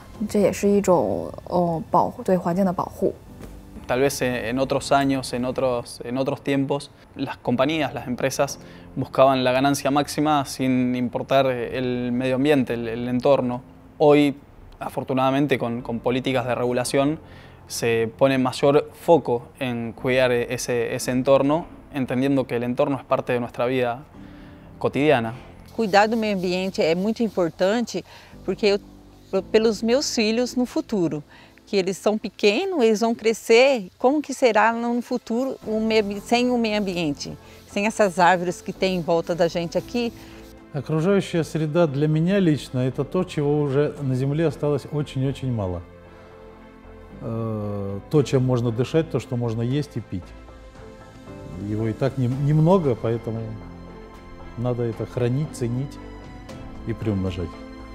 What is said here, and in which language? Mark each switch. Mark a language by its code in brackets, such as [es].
[zh] 在各车间的生产环节中，我们会时刻注意着能源的消耗，这也是一种保对环境的保护。 [es] Tal vez en otros años, en otros tiempos, las compañías, las empresas buscaban la ganancia máxima sin importar el medio ambiente, el entorno. Hoy, afortunadamente, con políticas de regulación, se pone mayor foco en cuidar ese entorno. [pt] Entendendo que o entorno é parte da nossa vida cotidiana. Cuidar do meio ambiente é muito importante porque eu, pelos meus filhos no futuro, que eles são pequenos, eles vão crescer, como que será no futuro sem o meio ambiente, sem essas árvores que tem em volta da gente aqui? [ru] A окружающая среда для меня лично это то, чего уже на земле осталось очень-очень мало. То, чем можно дышать, то, что можно есть и пить. Его и так немного, поэтому надо это хранить, ценить и приумножать.